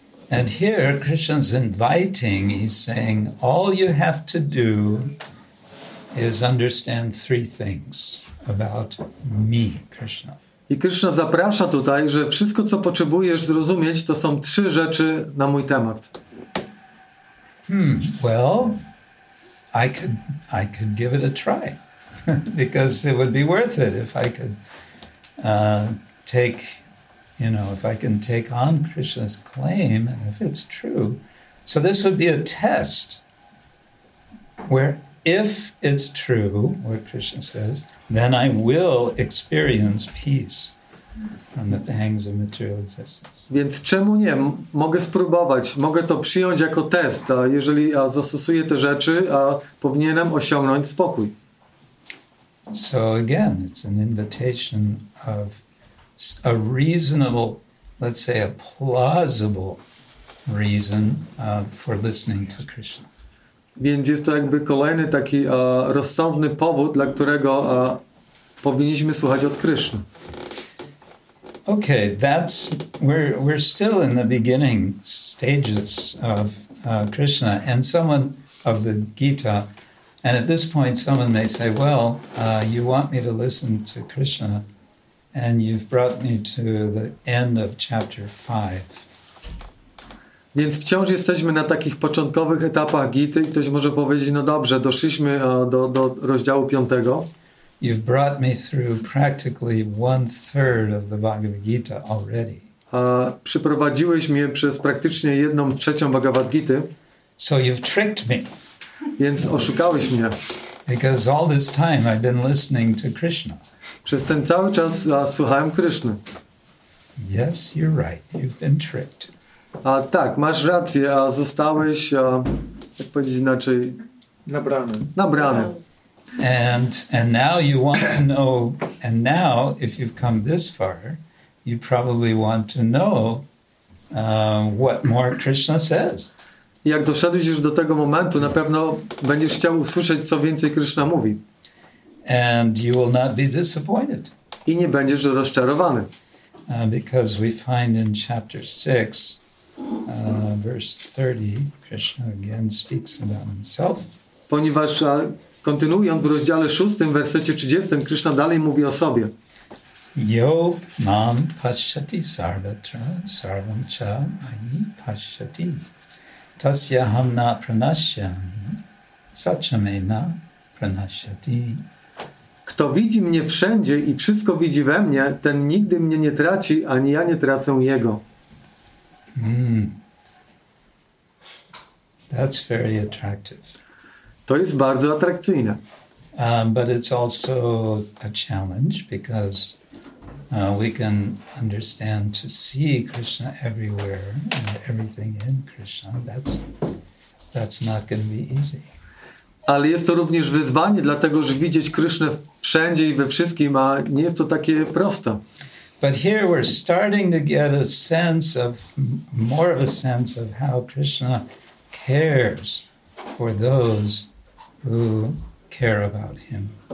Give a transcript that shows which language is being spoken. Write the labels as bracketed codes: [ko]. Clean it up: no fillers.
[en] And here Krishna's inviting, he's saying, all you have to do is understand three things. About me, Krishna. [pl] I Krishna zaprasza tutaj, że wszystko, co potrzebujesz zrozumieć, to są trzy rzeczy na mój temat. [en] Well, I could give it a try, because it would be worth it if I could take on Krishna's claim, and if it's true. So this would be a test where. If it's true, what Krishna says, then I will experience peace from the pangs of material existence. [pl] Więc czemu nie? Mogę spróbować. Mogę to przyjąć jako test. Jeżeli zastosuję te rzeczy, powinienem osiągnąć spokój. [en] So again, it's an invitation of a reasonable, let's say a plausible reason for listening to Krishna. [pl] Więc jest to jakby kolejny taki rozsądny powód, dla którego powinniśmy słuchać od Kryszny. [en] Okay, that's we're still in the beginning stages of Krishna and someone of the Gita. And at this point someone may say, well, you want me to listen to Krishna and you've brought me to the end of chapter 5. [pl] Więc wciąż jesteśmy na takich początkowych etapach Gity i ktoś może powiedzieć, no dobrze, doszliśmy do rozdziału 5. [en] You've brought me through practically one third of the Bhagavad Gita already. [pl] Przyprowadziłeś mnie przez praktycznie 1/3 Bhagavad Gity. [en] So you've tricked me. [pl] Więc oszukałeś mnie. [en] Because all this time I've been listening to Krishna. [pl] Przez ten cały czas słuchałem Kryszny. [en] Yes, you're right. You've been tricked. [pl] A tak, masz rację, a zostałeś, jak powiedzieć inaczej, nabrany. [en] And now you want to know, and now if you've come this far, you probably want to know what more Krishna says. [pl] Jak doszedłeś już do tego momentu, na pewno będziesz chciał usłyszeć, co więcej Krishna mówi. [en] And you will not be disappointed. [pl] I nie będziesz rozczarowany. [en] Because we find in chapter 6, verse 30, Krishna again speaks about himself. [pl] Ponieważ Kontynuując w rozdziale 6, w wersecie 30, Krishna dalej mówi o sobie. [sa] Yo mam paschati sarvatra sarvam cha mahi paschati tasya ham na pranashyami sachamena pranashyati. [pl] Kto widzi mnie wszędzie i wszystko widzi we mnie, ten nigdy mnie nie traci, ani ja nie tracę jego. [en] That's very attractive. [pl] To jest bardzo atrakcyjne. [en] But it's also a challenge because we can understand to see Krishna everywhere and everything in Krishna. That's not going to be easy. [pl] Ale jest to również wyzwanie, dlatego że widzieć Krishna wszędzie i we wszystkim, a nie jest to takie proste. [en] But here we're starting to get a sense of more of a sense of how Krishna cares for those who care about him.